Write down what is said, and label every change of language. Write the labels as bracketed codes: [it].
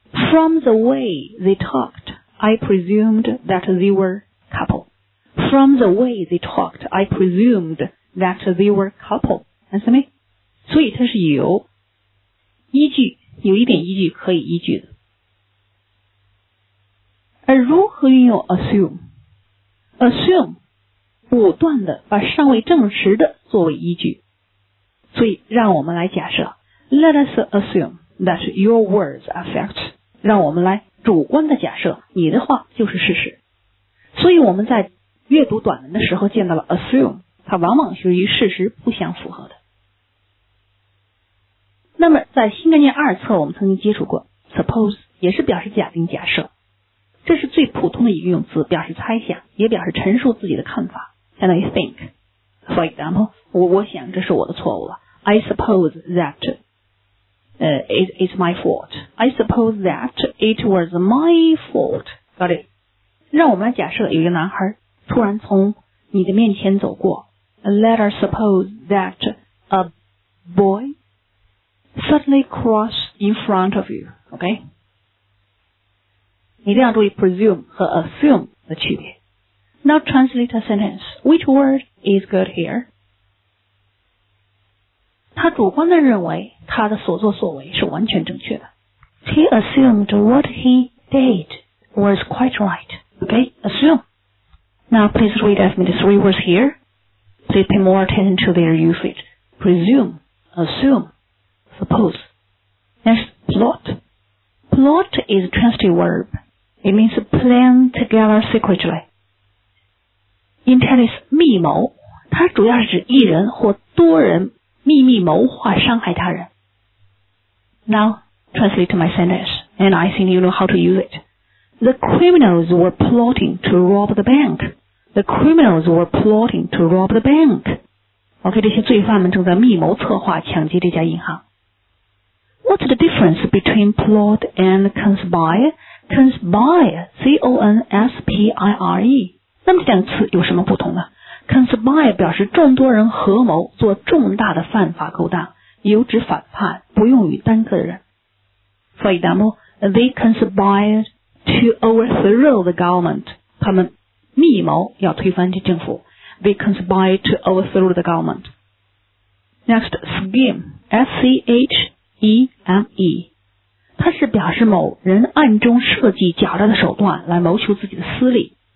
[en] From the way they talked,I presumed that they were couple. From the way they talked, I presumed that they were couple. Answer me. [zh] 所以它是有依据，有一点依据可以依据的。而如何运用 assume? Assume, 不断的把尚未证实的作为依据。所以让我们来假设。 [en] Let us assume that your words are fact. [zh] 让我们来主观的假设，你的话就是事实。所以我们在阅读短文的时候见到了 assume, 它往往是与事实不相符合的。那么在新概念二册我们曾经接触过 suppose, 也是表示假定假设。这是最普通的一个用词，表示猜想，也表示陈述自己的看法，相当于 think. [en] For example, [zh] 我想这是我的错误了。 [en] I suppose that,it's my fault. I suppose that it was my fault. Got it? [zh] 让我们假设有一个男孩突然从你的面前走过。 [en] Let us suppose that a boy suddenly crossed in front of you. Okay? [zh] 你一定要注意 presume 和 assume 的区别。 [en] Now translate a sentence. Which word is good here? [zh] 他主观地认为他的所作所为是完全正确的。 [en] He assumed what he did was quite right. Okay? Assume. Now please read after me the three words here. Please pay more attention to their usage. Presume. Assume. Suppose. Next, plot. Plot is a transitive verb. It means plan together secretly. In tennis, [zh] 密谋它主要是指一人或多人秘密谋划伤害他人。 [en] Now, translate my sentence, and I think you know how to use it. The criminals were plotting to rob the bank. The criminals were plotting to rob the bank. [zh] Okay, 这些罪犯们正在密谋策划抢劫这家银行。 [en] What's the difference between plot and conspire? Conspire, C-O-N-S-P-I-R-E. [zh] 那么这两个词有什么不同呢？ Conspire 表示众多人合谋做重大的犯法勾当，有指反叛，不用于单个人。 [en] For example, they conspired to overthrow the government. [zh] 他们密谋要推翻这政府。 [en] They conspired to overthrow the government. Next, scheme, S-C-H-E-M-E. [zh] 它是表示某人暗中设计狡诈的手段来谋求自己的私利。